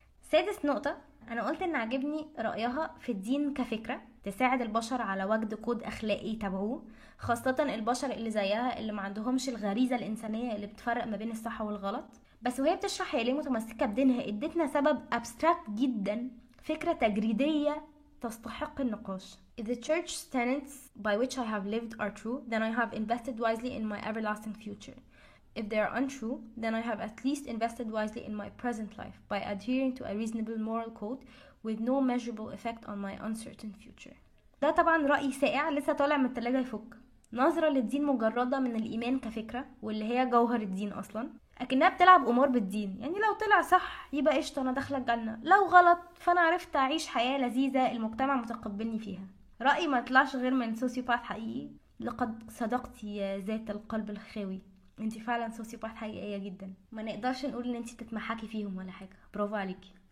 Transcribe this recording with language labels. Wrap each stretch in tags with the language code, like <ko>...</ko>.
<ar>سادس نقطة، انا قلت ان عجبني رأيها في الدين كفكرة تساعد البشر على وجد كود اخلاقي تبعه، خاصة البشر اللي زيها اللي ما عندهمش الغريزة الانسانية اللي بتفرق ما بين الصح والغلط. بس وهي بتشرح هي ليه متمسكة بدينها ادتنا سبب ابستراكت جدا، فكرة تجريدية تستحق النقاش.</ar> <en>If the church's tenets by which I have lived are true, then I have invested wisely in my everlasting future. If they are untrue, then I have at least invested wisely in my present life by adhering to a reasonable moral code with no measurable effect on my uncertain future.</en> <ar>ده طبعا رأي سائع لسه طالع من التلاجة يفك. نظرة للدين مجردة من الإيمان كفكرة واللي هي جوهر الدين أصلا، لكنها بتلعب أمور بالدين، يعني لو طلع صح يبقى قشطة أنا داخلة الجنة، لو غلط فأنا عرفت أعيش حياة لذيذة المجتمع متقبلني فيها. رأي ما طلعش غير من سوسيوباث حقيقي، لقد صدقتي يا ذات القلب الخاوي، انت فعلا سوسيوباث حقيقية جدا، ما نقدرش نقول ان انت تتمحكي فيهم ولا حاجة، برافو عليك.</ar>